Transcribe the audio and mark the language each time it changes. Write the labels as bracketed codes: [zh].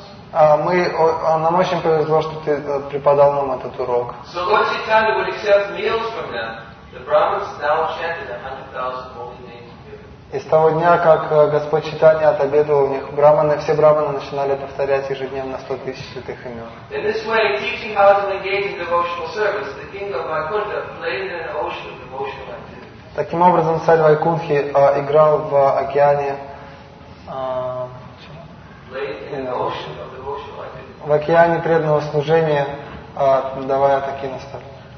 [ru] Нам очень повезло, что ты преподал нам этот урок. [en] So Lord Chaitanya would accept meals from them. The Brahmins now chanted 100,000 holy names. [ru] И с того дня, как Господь Чайтанья отобедовал у них, все брахманы начинали повторять ежедневно 100,000 святых имен. [en] In this way, teaching how to engage in devotional service, the king of Vaikuntha played in an ocean of devotional activity. [ru] Таким образом, царь Вайкунхи играл в океане преданного служения, давая такие наставления.